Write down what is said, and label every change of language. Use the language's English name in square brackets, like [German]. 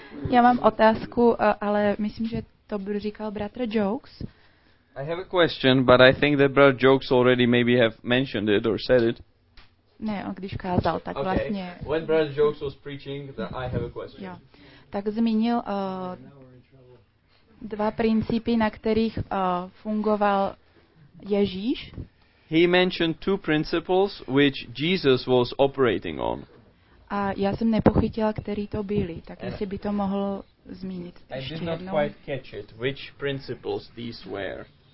[Czech] Já mám otázku, ale myslím, že to by říkal bratr Jokes. [English] I have a question, but I think that brother Jokes already maybe have mentioned it or said it. [Czech] Ne, on když kázal, tak [English] okay. [Czech] Vlastně. [English] Okay. When brother Jokes was preaching, I have a question. [Czech] Jo. Tak zmínil dva principy, na kterých fungoval Ježíš. [English] He mentioned two principles which Jesus was operating on. [Czech] A já jsem nepochytila, který to byly, tak jestli by to mohl zmínit ještě jednou. [English] I did not quite catch it, which principles these were.